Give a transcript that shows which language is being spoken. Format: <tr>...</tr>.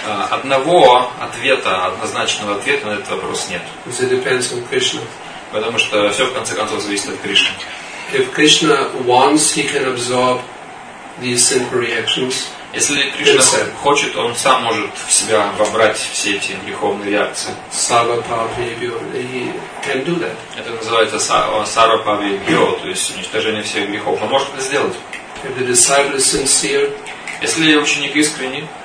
<ru>Одного ответа, однозначного ответа на этот вопрос нет.</ru> <en>Because it depends on Krishna.</en> <ru>Потому что все в конце концов зависит от Кришны.</ru> <en>If Krishna wants, he can absorb these sinful reactions.</en> <ru>Если Кришна хочет, он сам может в себя вобрать все эти греховные реакции.</ru> <en>Сарва-павья-био, he can do that.</en> <ru>Это называется сарва-павья-био, то есть уничтожение всех грехов. Он может это сделать.</ru> <en>If the disciple is sincere,</en> <ru>если ученик искренний,</ru>